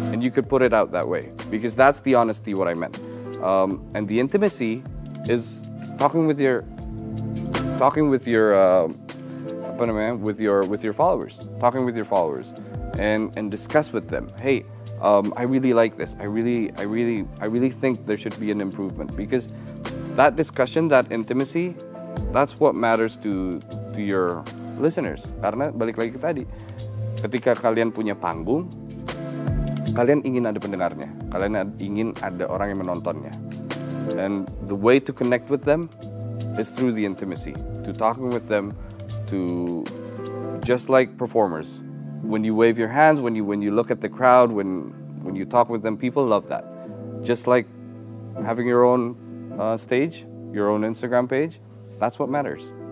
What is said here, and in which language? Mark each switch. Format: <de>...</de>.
<en>And you could put it out that way because that's the honesty what I meant. And the intimacy is talking with your followers and discuss with them, hey, I really like this. I really think there should be an improvement, because that discussion, that intimacy, that's what matters to your listeners.</en> <id>Karena balik lagi ke tadi, ketika kalian punya panggung, kalian ingin ada pendengarnya, kalian ingin ada orang yang menontonnya.</id> <en>And the way to connect with them is through the intimacy, to talking with them, to just like performers. When you wave your hands, when you look at the crowd, when you talk with them, people love that. Just like having your own stage, your own Instagram page, that's what matters.</en>